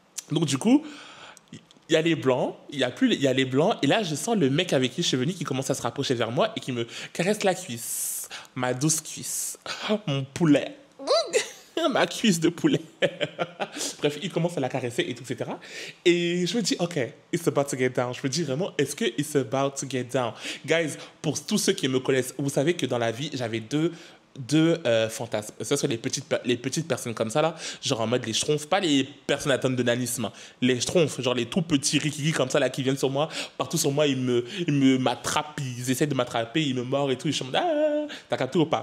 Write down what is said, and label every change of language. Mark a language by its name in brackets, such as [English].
[French] Donc, du coup, il y a les blancs, il y a plus, il y a les blancs, et là je sens le mec avec qui je suis venu qui commence à se rapprocher vers moi et qui me caresse la cuisse, ma douce cuisse, mon poulet. tiens ma cuisse de poulet. Bref, il commence à la caresser et tout, etc. Et je me dis, [English] OK, it's about to get down. [French] Je me dis vraiment, est-ce que [English] it's about to get down? [French] Guys, pour tous ceux qui me connaissent, vous savez que dans la vie, j'avais deux fantasmes. Ce sont les petites personnes comme ça, là. Genre en mode les schtroumpfs, pas les personnes atteintes de nanisme. Les schtroumpfs, genre les tout petits rikiki comme ça, là, qui viennent sur moi, partout sur moi, ils m'attrapent, ils essaient de m'attraper, ils me mordent et tout. Je suis en mode, t'as capté ou pas?